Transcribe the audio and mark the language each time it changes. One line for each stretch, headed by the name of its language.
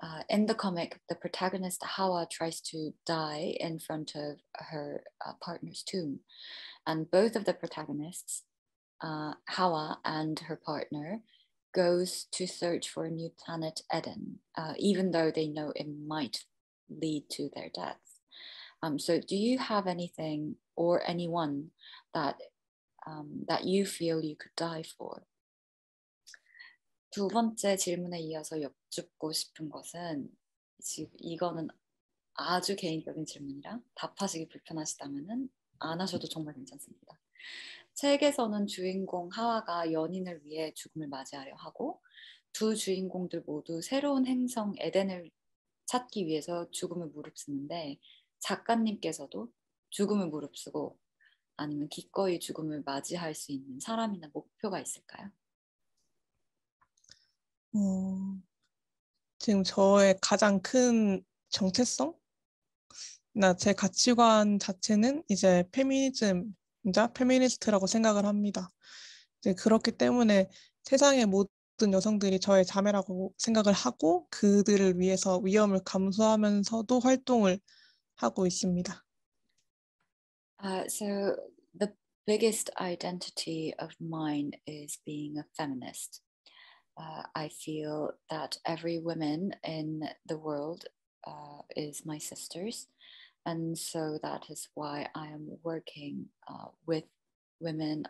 English: In the comic, the protagonist Hawa tries to die in front of her partner's tomb, and both of the protagonists, Hawa and her partner, goes to search for a new planet, Eden, even though they know it might lead to their death. So do you have anything or anyone that that you feel you could die for?
Korean: 두 번째 질문에 이어서 여쭙고 싶은 것은 이거는 아주 개인적인 질문이라 답하시기 불편하시다면 안 하셔도 정말 괜찮습니다. 책에서는 주인공 하와가 연인을 위해 죽음을 맞이하려 하고 두 주인공들 모두 새로운 행성 에덴을 찾기 위해서 죽음을 무릅쓰는데 작가님께서도 죽음을 무릅쓰고 아니면 기꺼이 죽음을 맞이할 수 있는 사람이나 목표가 있을까요? 지금 저의 가장 큰 정체성? 나 제 가치관 자체는 이제 페미니즘이자 페미니스트라고 생각을 합니다. 이제 그렇기 때문에 세상의 모든 여성들이 저의 자매라고 생각을 하고 그들을 위해서 위험을 감수하면서도 활동을 하고 있습니다.
English: So the biggest identity of mine is being a feminist. I feel that every woman in the world is my sister's. And so that is why I am working with women.